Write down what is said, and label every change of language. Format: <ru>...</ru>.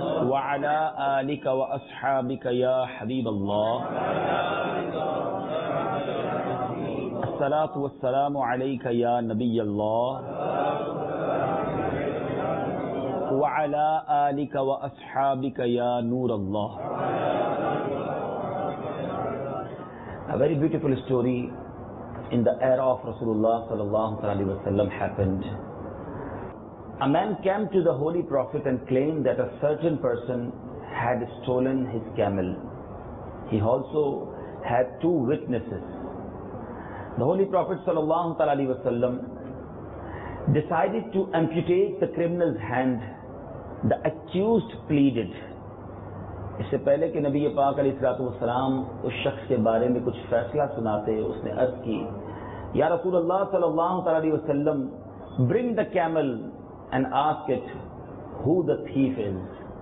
<ar>وعلى آلك وأصحابك يا حبيب الله، الصلاة والسلام عليك يا نبي الله، وعلى آلك وأصحابك يا نور الله.</ar> <en>A very beautiful story in the era of Rasulullah sallallahu alaihi wasallam happened. A man came to the Holy Prophet and claimed that a certain person had stolen his camel. He also had two witnesses. The Holy Prophet sallallahu alaihi wasallam decided to amputate the criminal's hand. The accused pleaded.</en> <hi>इससे पहले कि नबी पाक अलैहिस्सलातु वस्सलाम उस शख्स के बारे में कुछ फैसला सुनाते, उसने अर्ज की, या रसूल अल्लाह सल्लल्लाहु अलैहि वसल्लम,</hi> <en>Bring the camel and ask it who the thief is.</en>